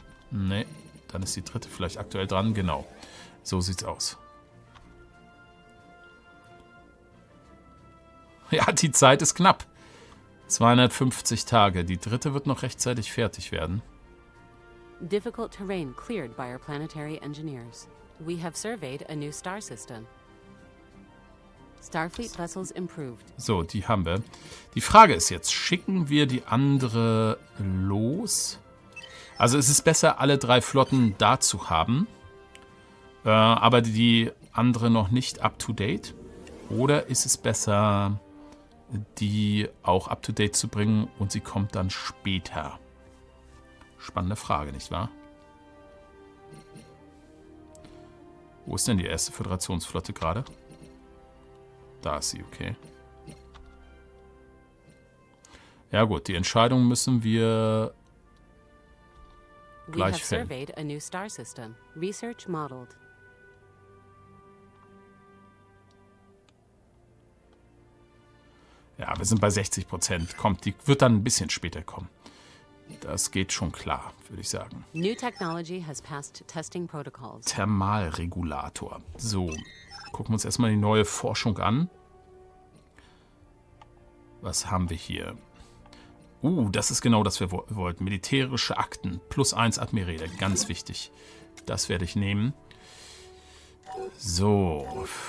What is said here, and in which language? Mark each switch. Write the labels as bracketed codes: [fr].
[de] Nee, dann ist die dritte vielleicht aktuell dran. Genau, so sieht's aus. Ja, die Zeit ist knapp. 250 Tage. Die dritte wird noch rechtzeitig fertig werden. [en] Difficult terrain cleared by our planetary engineers. We have surveyed a new star system. Starfleet vessels improved. [de] So, die haben wir. Die Frage ist jetzt, schicken wir die andere los? Also es ist besser, alle drei Flotten da zu haben, aber die andere noch nicht up-to-date. Oder ist es besser, die auch up-to-date zu bringen und sie kommt dann später? Spannende Frage, nicht wahr? Wo ist denn die erste Föderationsflotte gerade? Da ist sie, okay. Ja gut, die Entscheidung müssen wir gleich fällen. [en] We have surveyed a new star system. Research modeled. [de] Ja, wir sind bei 60%. Kommt, die wird dann ein bisschen später kommen. Das geht schon klar, würde ich sagen. [en] New technology has passed testing protocols. [de] Thermalregulator. So, gucken wir uns erstmal die neue Forschung an. Was haben wir hier? Das ist genau das, was wir wollten. Militärische Akten. Plus 1 Admiräle. Ganz wichtig. Das werde ich nehmen. So.